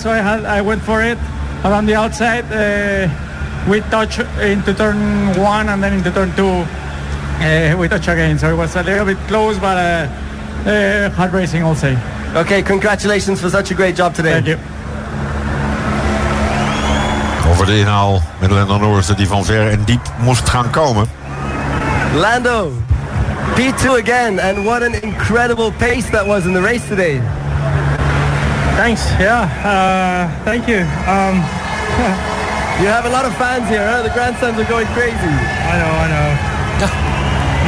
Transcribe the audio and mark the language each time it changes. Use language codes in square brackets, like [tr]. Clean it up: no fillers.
[en] So I went for it around the outside. We touched into turn one and then into turn two. We touched again, so it was a little bit close, but hard racing, I'll say. Okay, congratulations for such a great job today. Thank you. [nl] Over de inhaal met Lando Norris, dat die van ver en diep moest gaan komen. [en] Lando. P2 again, and what an incredible pace that was in the race today. Thanks, thank you. You have a lot of fans here, huh? The grandstands are going crazy. I know.